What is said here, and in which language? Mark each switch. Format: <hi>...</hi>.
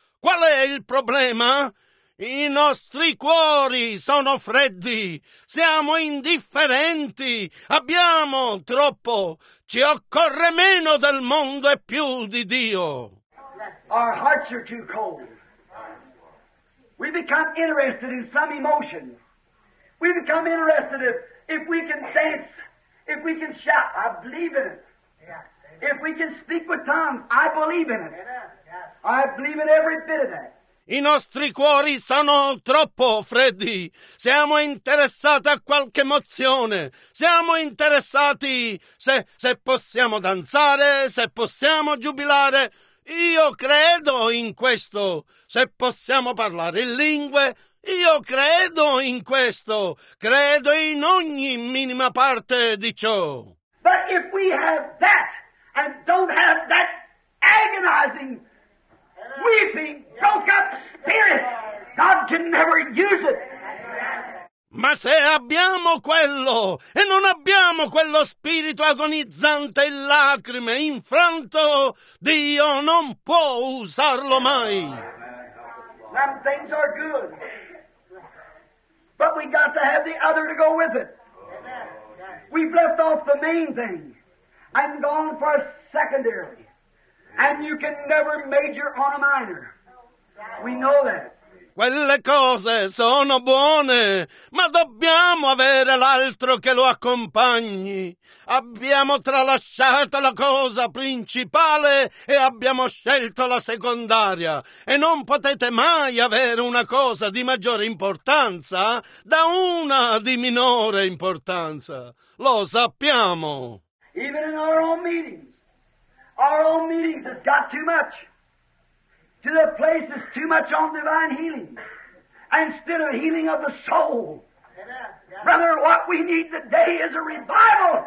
<it>Qual è il problema? I nostri cuori sono freddi, siamo indifferenti, abbiamo troppo, ci occorre meno del mondo e più di Dio.</it> <en>Our hearts are too cold. We become interested in some emotion. We become interested if we can dance, if we can shout, I believe in it. Yeah, if we can speak with tongues, I believe in it. Yeah. I believe in every bit of that.</en> <it>I nostri cuori sono troppo freddi, siamo interessati a qualche emozione, siamo interessati se possiamo danzare, se possiamo giubilare. Io credo in questo, se possiamo parlare in lingue, io credo in questo, credo in ogni minima parte di ciò.</it> <en>But if we have that and don't have that agonizing, weeping, broke up spirit, God can never use it.</en> <it>Ma se abbiamo quello e non abbiamo quello spirito agonizzante in lacrime, infranto, Dio non può usarlo mai.</it> <en>Some things are good, but we got to have the other to go with it. We've left off the main thing and gone for a secondary. And you can never major on a minor. We know that.</en> <it>Quelle cose sono buone, ma dobbiamo avere l'altro che lo accompagni. Abbiamo tralasciato la cosa principale e abbiamo scelto la secondaria. E non potete mai avere una cosa di maggiore importanza da una di minore importanza. Lo sappiamo.</it> <en>Even in our own meeting. Our own meetings has got too much. To the place is too much on divine healing. Instead of healing of the soul. Amen. Yeah. Brother, what we need today is a revival.</en>